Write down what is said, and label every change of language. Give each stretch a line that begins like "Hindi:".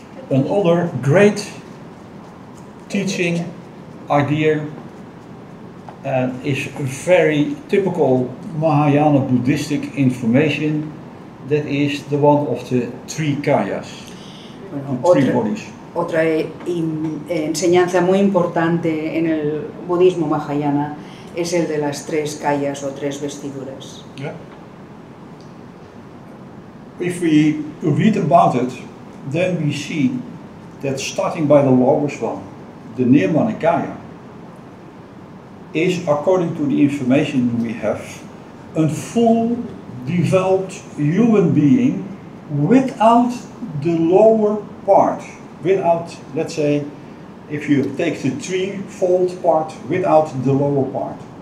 English: Another great teaching idea is very typical Mahayana Buddhistic information, that is the one of the three kayas, three bodies.
Spanish: Otra enseñanza muy importante en el budismo Mahayana es el de las tres kayas o tres vestiduras.
English: Yeah. If we read about it, then we see that starting by the lowest one, the Nirmanakaya, is, according to the information we have, a full developed human being without the lower part, without, let's say, if you take the threefold part, without the lower part.